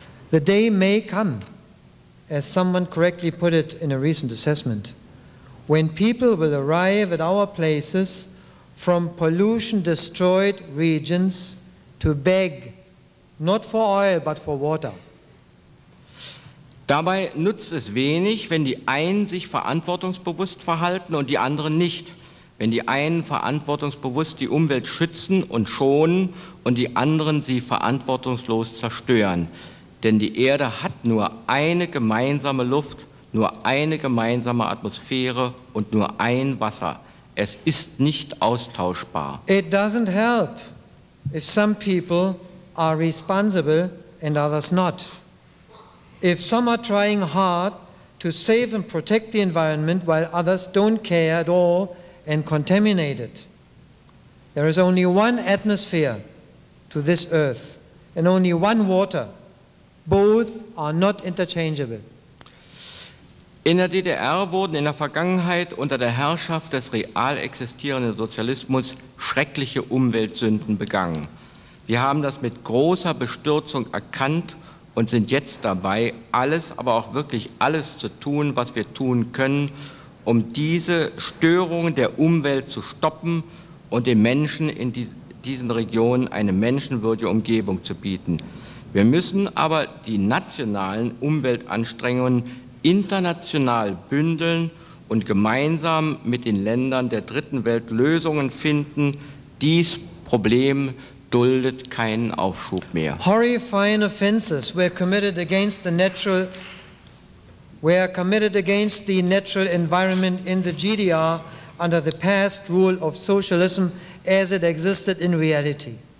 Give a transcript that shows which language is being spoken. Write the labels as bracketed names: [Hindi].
[English] The day may come, as someone correctly put it in a recent assessment, when people will arrive at our places from pollution-destroyed regions to beg, not for oil, but for water. [German] Dabei nutzt es wenig, wenn die einen sich verantwortungsbewusst verhalten und die anderen nicht. Wenn die einen verantwortungsbewusst die Umwelt schützen und schonen und die anderen sie verantwortungslos zerstören. Denn die Erde hat nur eine gemeinsame Luft, nur eine gemeinsame Atmosphäre und nur ein Wasser. Es ist nicht austauschbar. [English] It doesn't help if some people are responsible and others not. If some are trying hard to save and protect the environment while others don't care at all, and contaminated. There is only one atmosphere to this earth and only one water. Both are not interchangeable. [German] In der DDR wurden in der Vergangenheit unter der Herrschaft des real existierenden Sozialismus schreckliche Umweltsünden begangen. Wir haben das mit großer Bestürzung erkannt und sind jetzt dabei, alles, aber auch wirklich alles zu tun, was wir tun können, um diese Störungen der Umwelt zu stoppen und den Menschen in diesen Regionen eine menschenwürdige Umgebung zu bieten. Wir müssen aber die nationalen Umweltanstrengungen international bündeln und gemeinsam mit den Ländern der Dritten Welt Lösungen finden. Dies Problem duldet keinen Aufschub mehr. [English] Horrifying offenses were committed against the natural environment in the GDR under the past rule of socialism as it existed in reality.